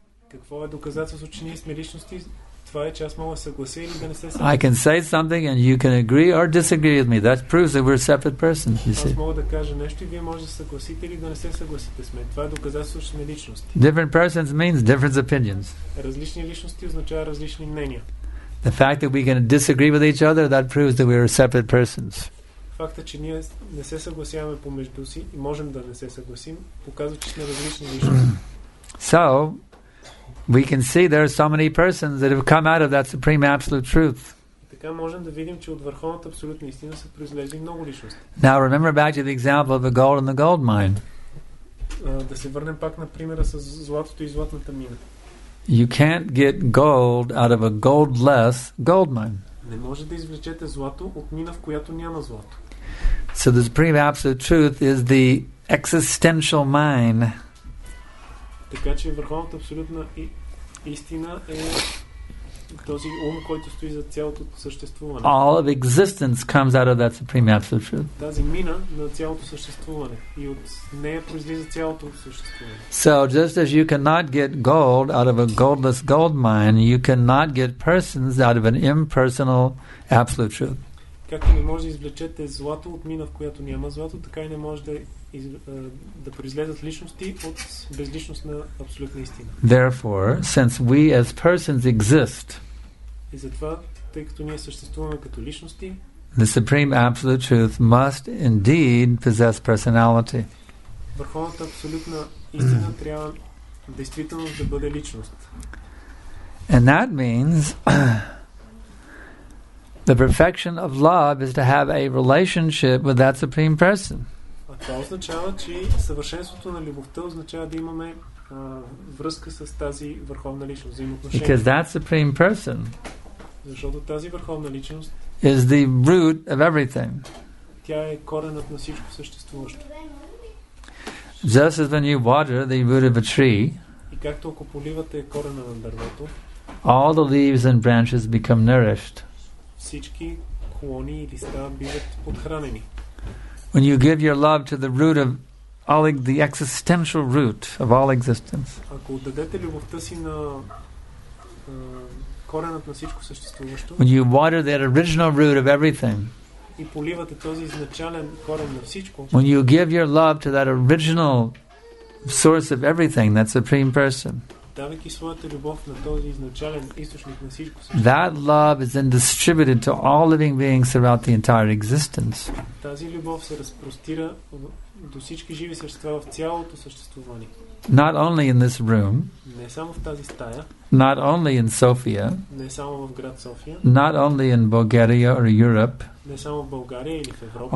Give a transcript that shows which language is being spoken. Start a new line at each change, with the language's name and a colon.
Bulgarian: Какво е доказателство, че ние сме личности? Това е, че аз мога да съглася или да не се съглася.
English: I can say something and you can agree or disagree with me. That proves that we're a separate person.
Bulgarian: Аз мога да кажа нещо и вие може да съгласите или да не се съгласите с мен. Това е доказателство, че сме личности.
English: Different persons means different opinions.
Bulgarian: Различни личности означава различни мнения.
English: The fact that we can disagree with each other, that proves that we are separate persons.
Bulgarian: Факта, че ние не се съгласяваме помежду си и можем да не се съгласим, показва, че сме различни личности.
English: So, we can see there are so many persons that have come out of that supreme absolute truth.
Bulgarian: Така можем да видим, че от върховната абсолютна истина са произлезли много личности.
English: Now, remember back to the example of the gold and the gold mine.
Bulgarian: Да се върнем пак на примера с златото и златната мина.
English: You can't get gold out of a goldless gold mine.
Bulgarian: Не може да извлечете злато от мина, в която няма злато.
English: So the supreme absolute truth is the existential mine.
Bulgarian: Така че върховната абсолютна истина е този ум, който стои за цялото съществуване.
English: All of existence comes out of that supreme absolute truth.
Bulgarian: Тази мина на цялото съществуване и от нея произлиза цялото съществуване.
English: So just as you cannot get gold out of a goldless gold mine, you cannot get persons out of an impersonal absolute truth.
Bulgarian: Както не може да извлечете злато от мина, в която няма злато, така и не може да да произлезат личности от безличностна абсолютна истина.
English: Therefore, since we as persons exist,
Bulgarian: и затова, тъй като ние съществуваме като личности,
English: the supreme absolute truth must indeed possess personality.
Bulgarian: Върховната абсолютна истина трябва действително да бъде личност.
English: And that means the perfection of love is to have a relationship with that supreme person.
Bulgarian: Това означава, че съвършенството на любовта означава да имаме връзка с тази върховна личност, взаимоотношение.
English: Because that supreme person,
Bulgarian: защото тази върховна личност,
English: is the root of everything.
Bulgarian: Тя е коренът на всичко съществуващо.
English: Just as when you water the root of a tree,
Bulgarian: и както ако поливате корена на дървото,
English: all the leaves and branches become nourished.
Bulgarian: Всички клони и листа биват подхранени.
English: When you give your love to the root of all the existential root of all existence.
Bulgarian: Ако отдадете любовта си на коренът на всичко съществуващо.
English: When you water that original root of everything.
Bulgarian: И поливате този изначален корен на всичко.
English: When you give your love to that original source of everything, that supreme person.
Bulgarian: Давайки своята любов на този изначален източник на всичко съществуващо.
English: That love is then distributed to all living beings throughout the entire existence.
Bulgarian: Тази любов се разпростира до всички живи същества в цялото съществуване.
English: Not only in this room.
Bulgarian: Не само в тази стая.
English: Not only in Sofia.
Bulgarian: Не само в град София.
English: Not only in Bulgaria or Europe.
Bulgarian: Не само в България или в Европа.